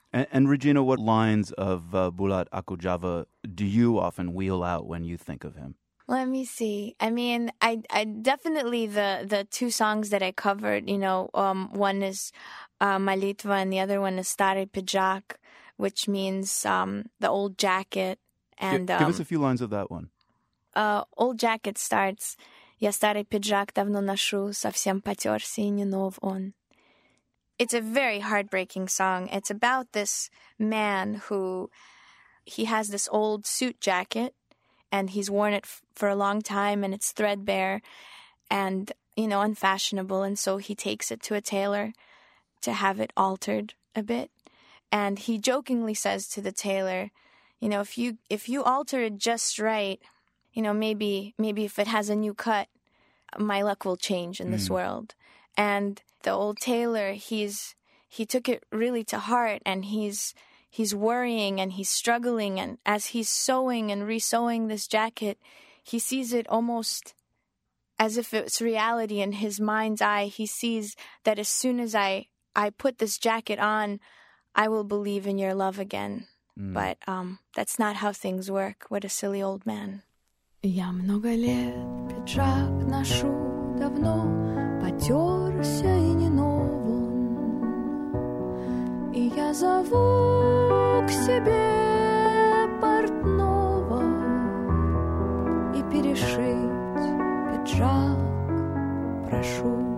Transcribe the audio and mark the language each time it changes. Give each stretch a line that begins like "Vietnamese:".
English: And Regina, what lines of Bulat Okudzhava do you often wheel out when you think of him? Let me see. I mean, I definitely the two songs that I covered, you know, one is Malitva and the other one is Stary Pidjak, which means the old jacket. And give us a few lines of that one. Old jacket starts,
Russian: Я старый пиджак давно ношу, совсем потерся и не нов он.
English: It's a very heartbreaking song. It's about this man who, he has this old suit jacket, and he's worn it for a long time, and it's threadbare and, you know, unfashionable. And so he takes it to a tailor to have it altered a bit. And he jokingly says to the tailor, you know, if you alter it just right, you know, maybe if it has a new cut, my luck will change in this world. And the old tailor, he took it really to heart, and he's worrying and he's struggling. And as he's sewing and re-sewing this jacket, he sees it almost as if it's reality. In his mind's eye, he sees that as soon as I put this jacket on, I will believe in your love again. Mm. But that's not how things work. What a silly old man.
Russian: Я много лет пиджак ношу, давно потерся и не нов он. И я зову к себе портного и перешить пиджак прошу.